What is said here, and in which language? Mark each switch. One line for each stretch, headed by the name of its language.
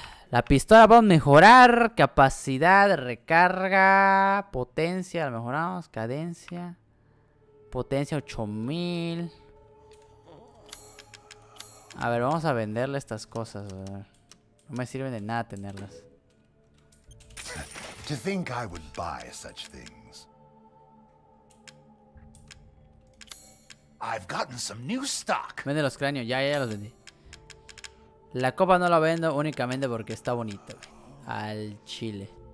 Spanish: La pistola vamos a mejorar. Capacidad, recarga, potencia, la mejoramos, cadencia. Potencia 8000. A ver, vamos a venderle estas cosas. A ver. No me sirven de nada tenerlas.
English: To think I would buy such things. I've gotten some new stock.
Spanish: Vende los cráneos, ya los vendí. La copa no la vendo únicamente porque está bonita, güey. Al chile.